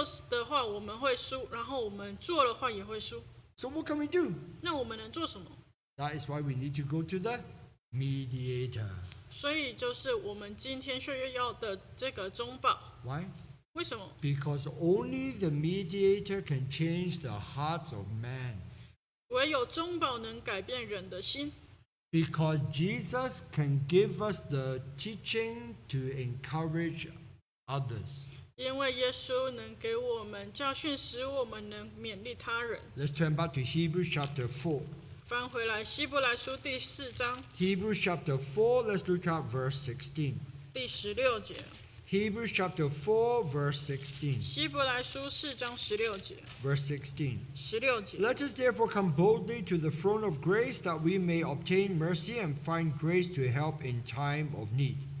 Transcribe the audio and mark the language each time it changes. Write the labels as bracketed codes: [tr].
[zh] 我们不去做的话我们会输,然后我们做的话也会输。 [en] So what can we do? [zh] 那我们能做什么? [en] That is why we need to go to the mediator. [zh] 所以就是我们今天需要的这个中保。 [en] Why? [zh] 为什么? [en] Because only the mediator can change the hearts of man. [zh] 唯有中保能改变人的心。 [en] Because Jesus can give us the teaching to encourage others. [zh] 因为耶稣能给我们教训，使我们能勉励他人。 [en] Let's turn back to Hebrews chapter 4. [zh] 翻回来希伯来书第四章。 [en] Hebrews chapter 4, let's look at verse 16. [zh] 第十六节。 [en] Hebrews chapter 4, verse 16. [zh] 希伯来书四章十六节。 [en] Verse 16. [zh] 十六节。 [en] Let us therefore come boldly to the throne of grace that we may obtain mercy and find grace to help in time of need.